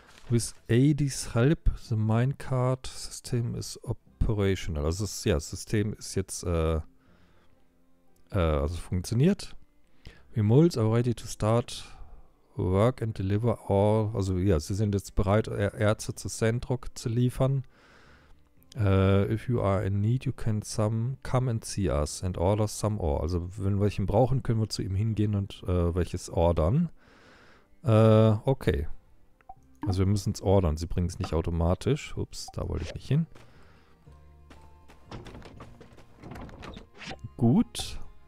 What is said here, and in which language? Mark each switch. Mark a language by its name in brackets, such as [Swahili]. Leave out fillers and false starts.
[English] With 80's help, the minecart system is operational. [German] Also, das, ja, das System ist jetzt, also funktioniert. [English] We mulls are ready to start work and deliver all. [German] Also, ja, sie sind jetzt bereit, Erze zu Sandrock zu liefern. [English] If you are in need, you can come and see us and order some ore. [German] Also, wenn wir welchen brauchen, können wir zu ihm hingehen und welches ordern. Okay. Also, wir müssen es ordern. Sie bringen es nicht automatisch. Ups, da wollte ich nicht hin. Gut.